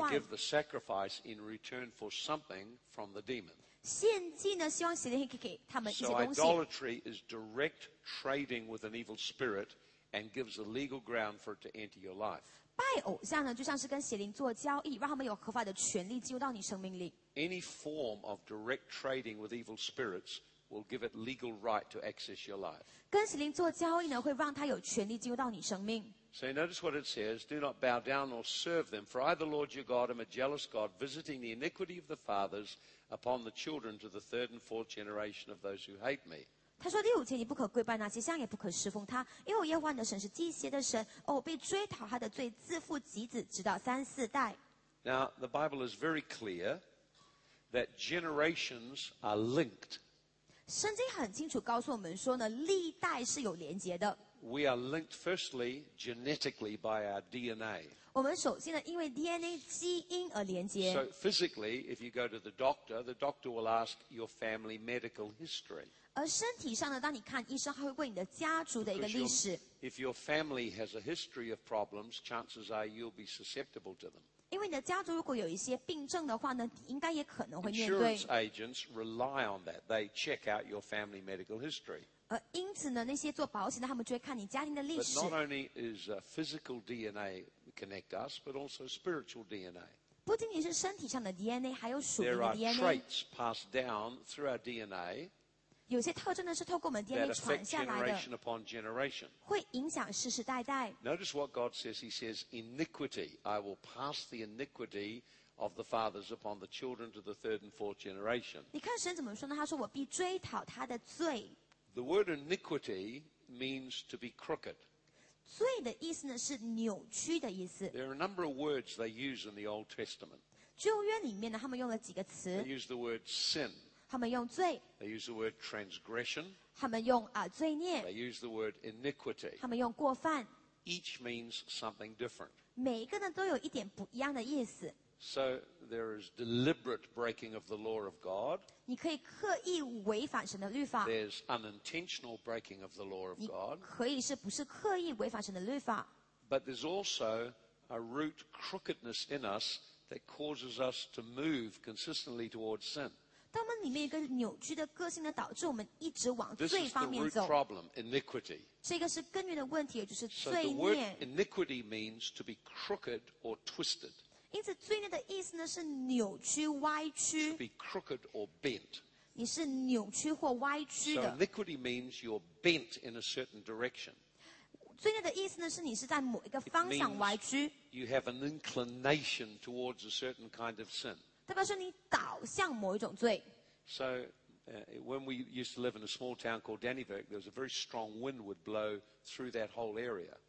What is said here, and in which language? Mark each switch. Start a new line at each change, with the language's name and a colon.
English: They give the sacrifice in return for something from the demon.
Chinese: 献祭呢，希望邪灵可以给他们一些东西。
English: So idolatry is direct trading with an evil spirit and gives a legal ground for it to enter your life.
Chinese: 拜偶像呢，就像是跟邪灵做交易，让他们有合法的权利进入到你生命里。
English: Any form of direct trading with evil spirits will give it legal right to access your life.
Chinese: 跟邪灵做交易呢，会让他有权利进入到你生命。
English: So you notice what it says, do not bow down nor serve them, for I the Lord your God am a jealous God, visiting the iniquity of the fathers upon the children to the third and fourth generation of those who hate me.
Chinese: 他说第五节你不可跪拜那些像也不可侍奉他，因为我耶和华你的神是祭邪的神，我必追讨他的罪，自负极止，直到三四代。
English: Now the Bible is very clear that generations are linked.
Chinese: 圣经很清楚告诉我们说呢，历代是有连结的。
English: We are linked firstly genetically by our DNA.
Chinese: 我们首先呢，因为 DNA 基因而连接。
English: So physically, if you go to the doctor will ask your family medical history.
Chinese: 而身体上呢，当你看医生，他会问你的家族的一个历史。
English: If your family has a history of problems, chances are you'll be susceptible to them.
Chinese: 因为你的家族如果有一些病症的话呢，你应该也可能会面对。
English: Insurance agents rely on that. They check out your family medical history.
Chinese: 因此呢，那些做保险的，他们就会看你家庭的历史。
English: But not only is physical DNA connect us, but also spiritual DNA.
Chinese: 不仅仅是身体上的 DNA, 还有属灵的 DNA.
English: There are traits passed down through our DNA.
Chinese: 有些特征呢是透过我们 DNA 传下来的。
English: That affect generation upon generation.
Chinese: 会影响世世代代。
English: Notice what God says. He says, "Iniquity, I will pass the iniquity." Of the fathers upon the children to the third and fourth generation.
Chinese: 你看神怎么说呢？他说我必追讨他的罪。
English: The word iniquity means to be crooked.
Chinese: 罪的意思呢是扭曲的意思。
English: There are a number of words they use in the Old Testament.
Chinese: 旧约里面呢，他们用了几个词。
English: They use the word sin.
Chinese: 他们用罪。
English: They use the word transgression.
Chinese: 他们用罪孽。
English: They use the word iniquity.
Chinese: 他们用过犯。
English: Each means something different.
Chinese: 每一个呢都有一点不一样的意思。
English: So there is deliberate breaking of the law of God.
Chinese: 你可以刻意违反神的律法。
English: There's unintentional breaking of the law of God.
Chinese: 你可以是不是刻意违反神的律法。
English: But there's also a root crookedness in us that causes us to move consistently towards sin.
Chinese: 但我们里面一个扭曲的个性呢，导致我们一直往罪方面走。
English: This is the root problem, iniquity.
Chinese: 这个是根源的问题，也就是罪孽。
English: So the word iniquity means to be crooked or twisted.
Chinese: 因此罪孽的意思呢是扭曲歪曲。
English: To be crooked or bent.
Chinese: 你是扭曲或歪曲的。
English: So iniquity means you're bent in a certain direction.
Chinese: 罪孽的意思呢是你是在某一个方向歪曲。
English: It means you have an inclination towards a certain kind of sin.
Chinese: 代表说你导向某一种罪。
English: So, when we used to live in a small town called Dannevirke, there was a very strong wind would blow through that whole area.